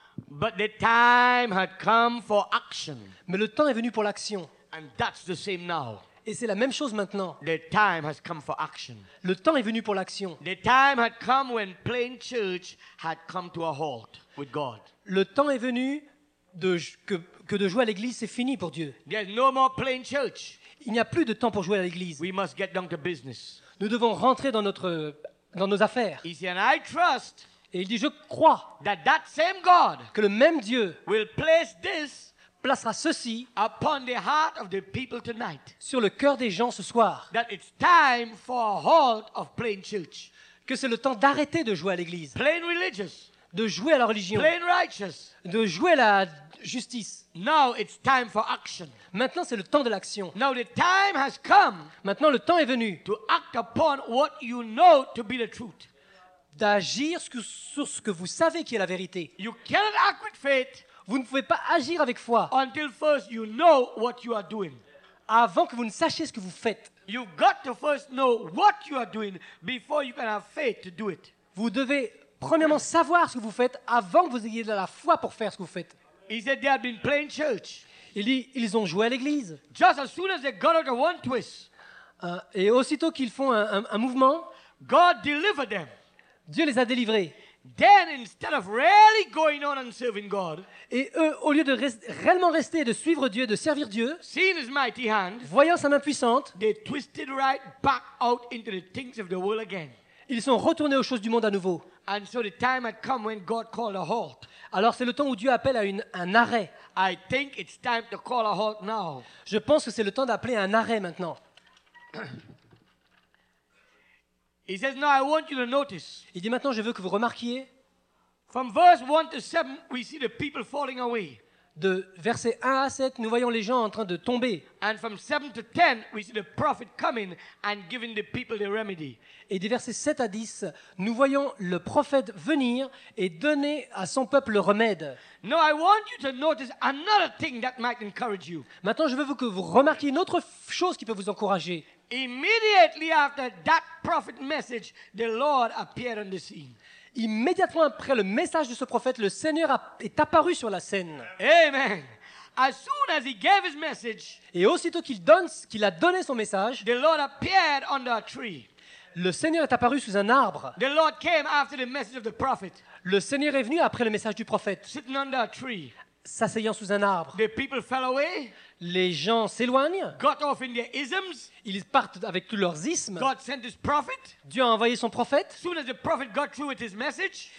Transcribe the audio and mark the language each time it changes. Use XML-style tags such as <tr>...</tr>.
<en>But the time had come for action.</en> <fr>Mais le temps est venu pour l'action.</fr> <en>And that's the same now.</en> <fr>Et c'est la même chose maintenant.</fr> <en>The time has come for action.</en> <fr>Le temps est venu pour l'action.</fr> <en>The time had come when plain church had come to a halt with God.</en> <fr>Le temps est venu que de jouer à l'église, c'est fini pour Dieu.</fr> <en>There's no more plain church.</en> <fr>Il n'y a plus de temps pour jouer à l'église.</fr> <en>We must get down to business.</en> <fr>Nous devons rentrer dans nos affaires.</fr> <en>He said, I trust.</en> <fr>Et il dit, je crois</fr> <en>that same God</en> <fr>que le même Dieu</fr> <en>will place this</en> <fr>placera ceci</fr> <en>upon the heart of the people tonight.</en> <fr>Sur le cœur des gens ce soir.</fr> <en>That it's time for a halt of plain church.</en> <fr>Que c'est le temps d'arrêter de jouer à l'église.</fr> <en>Plain religious.</en> <fr>De jouer à la religion.</fr> <en>Plain righteous.</en> <fr>De jouer à la justice.</fr> <en>Now it's time for action.</en> <fr>Maintenant c'est le temps de l'action.</fr> <en>Now the time has come.</en> <fr>Maintenant le temps est venu.</fr> <en>To act upon what you know to be the truth.</en> <fr>D'agir sur ce que vous savez qui est la vérité.</fr> <en>You cannot act with faith.</en> <fr>Vous ne pouvez pas agir avec foi.</fr> <en>Until first you know what you are doing.</en> <fr>Avant que vous ne sachiez ce que vous faites.</fr> <en>You've got to first know what you are doing before you can have faith to do it.</en> <fr>Vous devez premièrement savoir ce que vous faites avant que vous ayez de la foi pour faire ce que vous faites.</fr> <en>He said they have been playing church.</en> <fr>Il dit, ils ont joué à l'église.</fr> <en>Just as soon as they got out of one twist.</en> <fr>Et aussitôt qu'ils font un mouvement.</fr> <en>God delivered them.</en> <fr>Dieu les a délivrés.</fr> <en>Then instead of really going on and serving God,</en> <fr>et eux, au lieu de réellement rester, de suivre Dieu, de servir Dieu,</fr> <en>seeing his mighty hand,</en> <fr>voyant sa main puissante,</fr> <en>they twisted right back out into the things of the world again.</en> <fr>Ils sont retournés aux choses du monde à nouveau.</fr> <en>And so the time had come when God called a halt.</en> <fr>Alors c'est le temps où Dieu appelle à un arrêt.</fr> <en>I think it's time to call a halt now.</en> <fr>Je pense que c'est le temps d'appeler à un arrêt maintenant.</fr> <en>He says, "Now I want you to notice."</en> <fr>Il dit maintenant, je veux que vous remarquiez.</fr> <en>From verse 1 to 7, we see the people falling away.</en> <fr>De verset 1 à 7, nous voyons les gens en train de tomber.</fr> <en>And from 7 to 10, we see the prophet coming and giving the people the remedy.</en> <fr>Et des versets 7 à 10, nous voyons le prophète venir et donner à son peuple le remède.</fr> <en>Now I want you to notice another thing that might encourage you.</en> <fr>Maintenant, je veux que vous remarquiez une autre chose qui peut vous encourager.</fr> <en>Immediately after that prophet message, the Lord appeared on the scene.</en> <fr>Immédiatement après le message de ce prophète, le Seigneur est apparu sur la scène.</fr> <en>Amen. As soon as he gave his message,</en> <fr>et aussitôt qu'il a donné son message,</fr> <en>the Lord appeared under a tree.</en> <fr>Le Seigneur est apparu sous un arbre.</fr> <en>The Lord came after the message of the prophet.</en> <fr>Le Seigneur est venu après le message du prophète.</fr> <en>Sitting under a tree.</en> <fr>S'asseyant sous un arbre.</fr> <en>The people fell away.</en> <fr>Les gens s'éloignent.</fr> <en>Got off in their isms.</en> <fr>Ils partent avec tous leurs ismes.</fr> <en>God sent his prophet.</en> <fr>Dieu a envoyé son prophète.</fr> <en>Soon as the prophet got through with his message.</en>